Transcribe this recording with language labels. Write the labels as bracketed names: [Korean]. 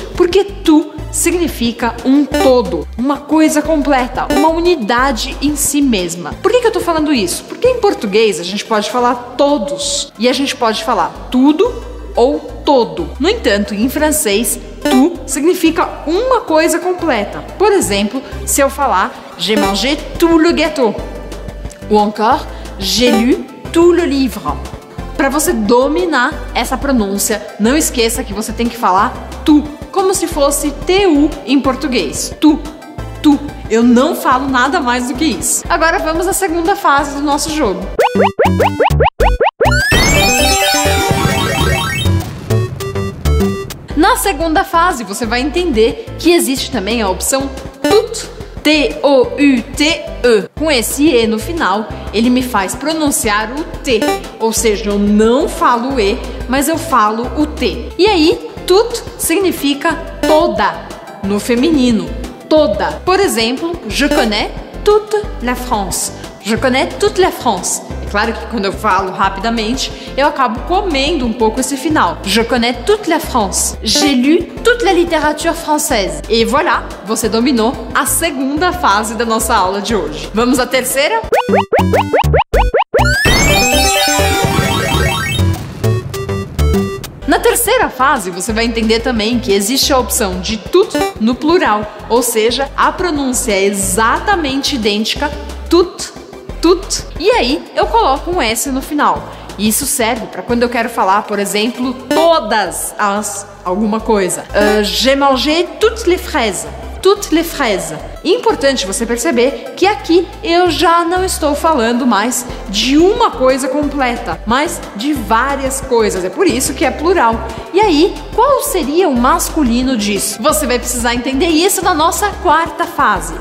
[Portuguese] Porque tu significa um todo, uma coisa completa, uma unidade em si mesma. Por que eu tô falando isso? Porque em português a gente pode falar todos e a gente pode falar tudo ou todo. No entanto, em francês, tu significa uma coisa completa. Por exemplo, se eu falar [French] j'ai mangé tout le gâteau. Ou encore, j'ai lu tout le livre. [Portuguese] Para você dominar essa pronúncia, não esqueça que você tem que falar tu, como se fosse tu em português. Tu, tu. Eu não falo nada mais do que isso. Agora vamos à segunda fase do nosso jogo. Na segunda fase, você vai entender que existe também a opção tut. T-O-U-T-E. Com esse E no final, ele me faz pronunciar o T. Ou seja, eu não falo E, mas eu falo o T. E aí, tout significa toda, no feminino. Toda. [French] Por exemplo, je connais toute la France. Je connais toute la France. [Portuguese] É claro que quando eu falo rapidamente, eu acabo comendo um pouco esse final. [French] Je connais toute la France. J'ai lu toute la littérature française. [Portuguese] E voilà, você dominou a segunda fase da nossa aula de hoje. Vamos à terceira? Na terceira fase, você vai entender também que existe a opção de tout no plural. Ou seja, a pronúncia é exatamente idêntica tout. Tut. E aí, eu coloco um S no final. Isso serve para quando eu quero falar, por exemplo, todas as alguma coisa. [French] J'ai mangé toutes les fraises. Toutes les fraises. [Portuguese] Importante você perceber que aqui eu já não estou falando mais de uma coisa completa, mas de várias coisas. É por isso que é plural. E aí, qual seria o masculino disso? Você vai precisar entender isso na nossa quarta fase.